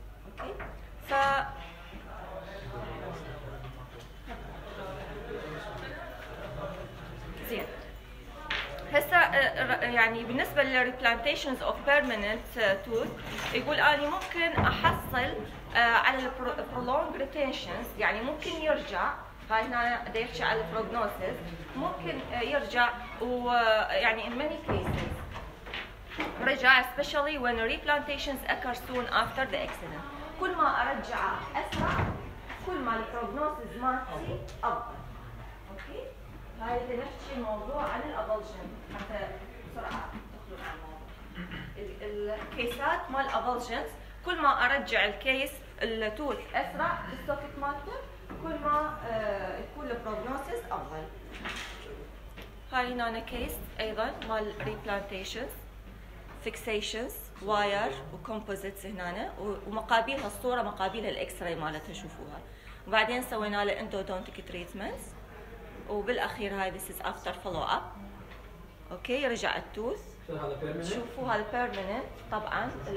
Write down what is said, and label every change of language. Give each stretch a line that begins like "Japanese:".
Arabic: أوكي؟ ف زين هسا يعني بالنسبة للريبلانتيشنز أوف بيرمننت توث يقول أني ممكن أحصل على البرولونج ريتينشنز يعني ممكن يرجع. هاي هنا دا يحكي على البروجنوسيس ممكن يرجع ويعني
English: in many cases
Arabic: رجع
English: especially when replantations occur soon after the accident.
Arabic: كل ما ارجع اسرع كل ما البروجنوسيس مالتي افضل. اوكي هاي اللي نحكي موضوع عن الابلجن حتى بسرعه تخلص على الموضوع. الكيسات مال الابلجنز كل ما ارجع الكيس التوث اسرع بالسوكت مالته كل ما يكون البروجنوسيس افضل. هاي هنا كيس ايضا مال replantations fixations wire وcomposites هنا ومقابلها الصوره مقابلها الاكس راي مالتها تشوفوها. وبعدين سوينا له endodontic treatments وبالاخير هاي
English: this is after follow up.
Arabic: اوكي رجع التوث شوفوا هذا permanent طبعا